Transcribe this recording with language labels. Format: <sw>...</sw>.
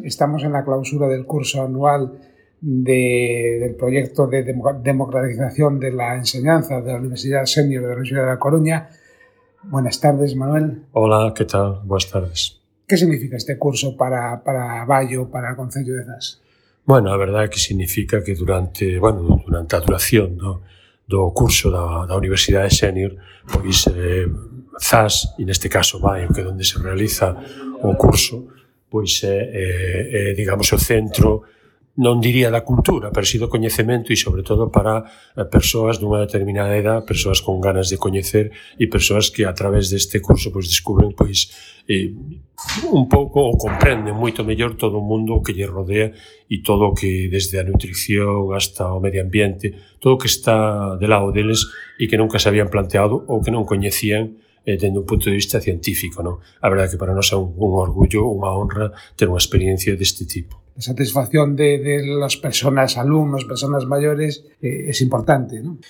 <es>Estamos en la clausura del curso anual del proyecto de democratización de la enseñanza de la Universidad Senior de la Universidad de La Coruña. Buenas tardes, Manuel. Hola, ¿qué tal? Buenas tardes. ¿Qué significa este curso para Bayo, para el Concello de Zas? Bueno, la verdad es que significa que durante la duración, ¿no?,</es> <gl>do curso da Universidade Senior, pois Zas, e neste caso Baio, que é onde se realiza o curso, pois digamos, o centro, non diría da cultura, pero si do coñecemento, e sobre todo para persoas dunha determinada edad, persoas con ganas de coñecer e persoas que a través deste curso pois descubren pois un pouco ou comprenden moito mellor todo o mundo que lle rodea e todo o que desde a nutrición hasta o medio ambiente, todo o que está de lado deles e que nunca se habían planteado ou que non coñecían dende un punto de vista científico, non? A verdade é que para nós é un orgullo, unha honra ter unha experiencia deste tipo.</gl> <es>A satisfacción de las personas, alumnos, personas mayores, es importante, ¿no?</es>